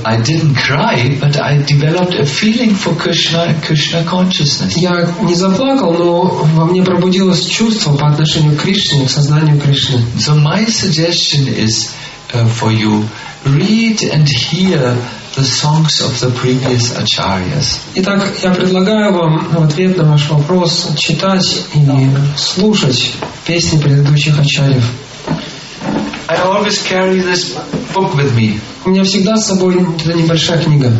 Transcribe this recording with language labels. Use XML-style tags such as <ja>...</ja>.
<en>I didn't cry, but I developed a feeling for Krishna, Krishna consciousness.</en> <ru>Я не заплакал, но во мне пробудилось чувство по отношению к Кришне, к сознанию Кришны.</ru> <en>So my suggestion is for you: read and hear the songs of the previous acharyas.</en> <ru>Итак, я предлагаю вам в ответ на ваш вопрос читать и слушать песни предыдущих ачарьев.</ru> <en>I always carry this book with me.</en> <ru>У меня всегда с собой эта небольшая книга.</ru>